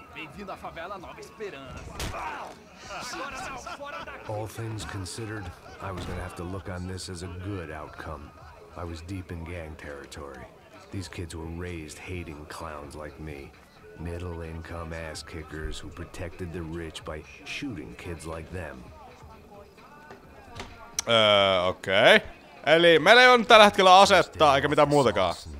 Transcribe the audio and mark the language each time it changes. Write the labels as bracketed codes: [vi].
[pt] Bem-vindo à favela Nova Esperança. [en] All things considered, I was gonna have to look on this as a good outcome. I was deep in gang territory. These kids were raised hating clowns like me. Middle-income ass-kickers who protected the rich by shooting kids like them. Okei. Okay. [fi] Eli meillä ei ole tällä hetkellä asetta, eikä mitään muutakaan.